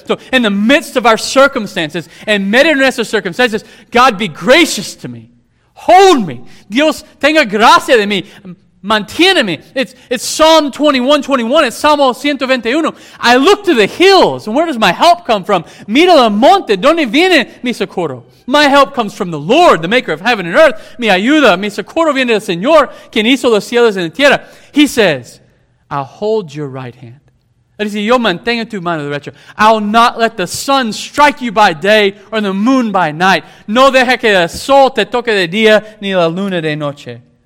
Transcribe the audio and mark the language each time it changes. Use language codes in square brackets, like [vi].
[en] So in the midst of our circumstances, [es] in medio de nuestras circunstancias, [en] God be gracious to me. Hold me. [es] Dios, tenga gracia de mí. Manténeme. [en] It's Psalm 21:21. It's Salmo 121. I look to the hills. And where does my help come from? [es] Mira el monte. ¿Dónde viene mi socorro? [en] My help comes from the Lord, the maker of heaven and earth. [es] Mi ayuda, mi socorro viene del Señor, quien hizo los cielos y la tierra. [en] He says, I'll hold your right hand. [es] Dice, yo mantengo tu mano derecha. [en] I'll not let the sun strike you by day or the moon by night. [es] No deje que el sol te toque de día ni la luna de noche.